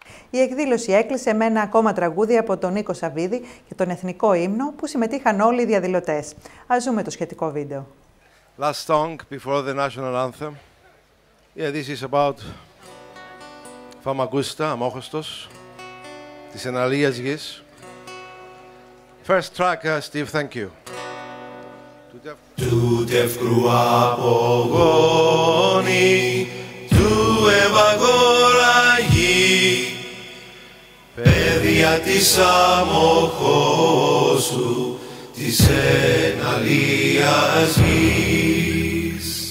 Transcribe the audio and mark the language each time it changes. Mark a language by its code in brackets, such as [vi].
[el] Η εκδήλωση έκλεισε με ένα ακόμα τραγούδι από τον Νίκο Σαββίδη και τον Εθνικό Ύμνο που συμμετείχαν όλοι οι διαδηλωτές. Ας δούμε το σχετικό βίντεο. [en] Last song before the national anthem. Yeah, this is about Famagusta, [el] αμόχωστος, της εναλίας γης. [en] First track, Steve, thank you. [el] Του τευκρού απογόνη, του ευαγοραγή, παιδιά της αμοχώσου της εναλίας γης.